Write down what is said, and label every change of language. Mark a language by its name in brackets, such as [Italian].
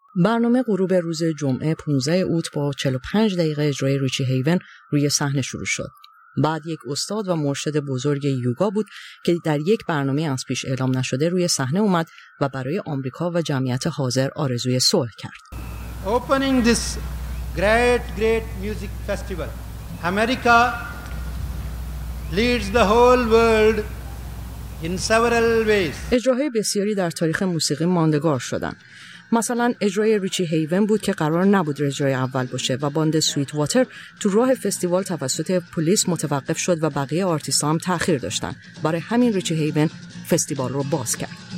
[Persian] برنامه غروب روز جمعه 15 اوت با 45 دقیقه اجرای ریچی هیون روی صحنه شروع شد. بعد یک استاد و مرشد بزرگ یوگا بود که در یک برنامه از پیش اعلام نشده روی صحنه اومد و برای آمریکا و جمعیت حاضر آرزوی صلح کرد. [English] Opening this great music festival, America leads the whole world in several ways. [Persian] اجراهای بسیاری در تاریخ موسیقی ماندگار شدند. مثلا اجرای ریچی هیون بود که قرار نبود اجرای اول باشه و باند سویت واتر تو راه فستیوال توسط پلیس متوقف شد و بقیه آرتیست هم تأخیر داشتن. برای همین ریچی هیون فستیوال رو باز کرد.